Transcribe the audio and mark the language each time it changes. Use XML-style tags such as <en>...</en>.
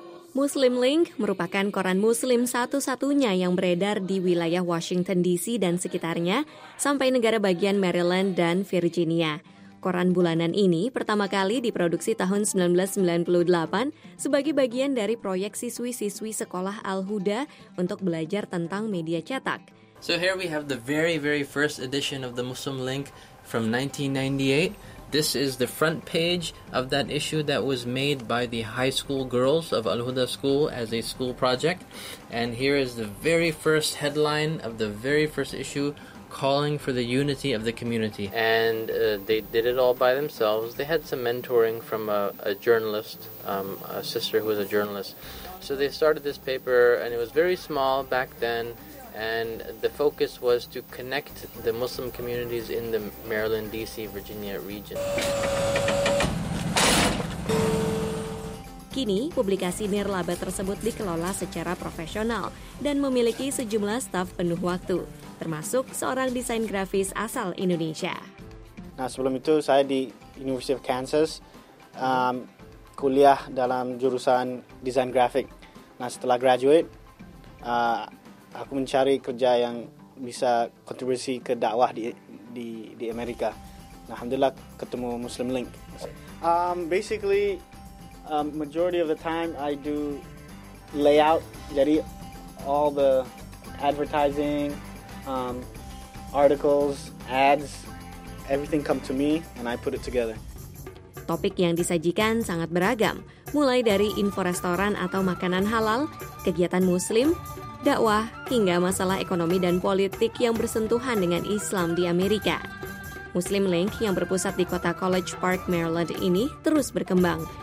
<id>Muslim Link merupakan koran Muslim satu-satunya yang beredar di wilayah Washington DC dan sekitarnya sampai negara bagian Maryland dan Virginia. Koran bulanan ini pertama kali diproduksi tahun 1998 sebagai bagian dari proyek siswi-siswi sekolah Al-Huda untuk belajar tentang media cetak.</id> <en>So here we have the very, very first edition of the Muslim Link from 1998. This is the front page of that issue that was made by the high school girls of Al-Huda School as a school project. And here is the very first headline of the very first issue calling for the unity of the community. And they did it all by themselves. They had some mentoring from a journalist, a sister who was a journalist. So they started this paper, and it was very small back then. And the focus was to connect the Muslim communities in the Maryland, D.C., Virginia region.</en> <id>Kini, publikasi nirlaba tersebut dikelola secara profesional dan memiliki sejumlah staf penuh waktu, termasuk seorang desain grafis asal Indonesia. Nah, sebelum itu saya di University of Kansas, kuliah dalam jurusan desain grafik. Nah, setelah graduate, aku mencari kerja yang bisa kontribusi ke dakwah di Amerika. Nah, alhamdulillah ketemu Muslim Link.</id> <en>Basically, majority of the time I do layout, jadi all the advertising, articles, ads, everything come to me and I put it together.</en> <id>Topik yang disajikan sangat beragam, mulai dari info restoran atau makanan halal, kegiatan Muslim, dakwah, hingga masalah ekonomi dan politik yang bersentuhan dengan Islam di Amerika. Muslim Link yang berpusat di kota College Park, Maryland ini terus berkembang.</id>